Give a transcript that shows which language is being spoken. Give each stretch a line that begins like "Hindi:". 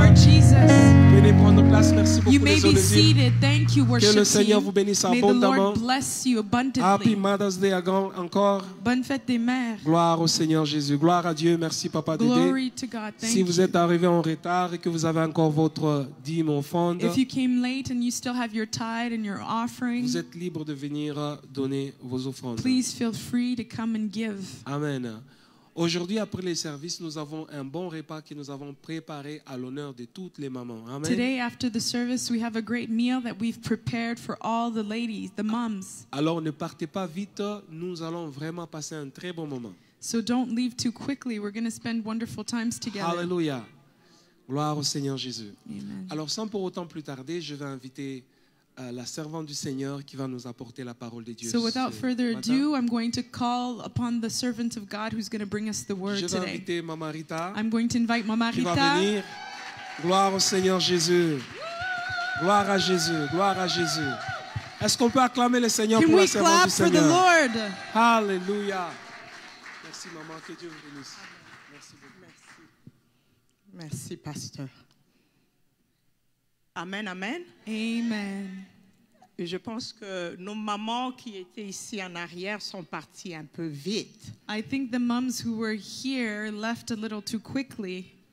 French: Venez prendre place. Merci beaucoup de ce désir.
English: Thank you,
French: que le Seigneur vous bénisse abondamment.
English: Happy Mother's Day again,
French: encore. Bonne fête des mères. Gloire au Seigneur Jésus. Gloire à Dieu. Merci Papa
English: Glory Dédé. To God. Thank
French: si vous
English: you.
French: Êtes arrivé en retard et que vous avez encore votre dîme offrande,
English: if you came late and you still have your tithe and your offering,
French: vous êtes libre de venir donner vos offrandes.
English: Please feel free to come and give. Amen.
French: Aujourd'hui, après les services, nous avons un bon repas que nous avons préparé à l'honneur de toutes les mamans. Amen.
English: Today, after the service, we have a great meal that we've prepared for all the ladies, the moms.
French: Alors, ne partez pas vite. Nous allons vraiment passer un très bon moment.
English: So don't leave too quickly. We're going to spend wonderful times together.
French: Hallelujah. Gloire au Seigneur Jésus. Amen. Alors, sans pour autant plus tarder, je vais inviter la servante du Seigneur qui va nous apporter la parole de Dieu.
English: So without further ado, I'm going to call upon the servant of God who's going to bring us the word today.
French: Je vais inviter Maman Rita.
English: I'm going to invite Maman Rita.
French: Qui va venir. Gloire au Seigneur Jésus. Gloire à Jésus. Gloire à Jésus. Est-ce qu'on peut acclamer le Seigneur
English: Can
French: pour la servante du Seigneur?
English: Can we clap for the Lord?
French: Hallelujah. Merci Maman, que Dieu vous bénisse. Merci beaucoup. Merci. Merci Pasteur. Amen, amen. Amen. Je pense que nos mamans qui étaient ici en arrière sont parties un peu vite.
English: I think the moms who were here left a little too quickly.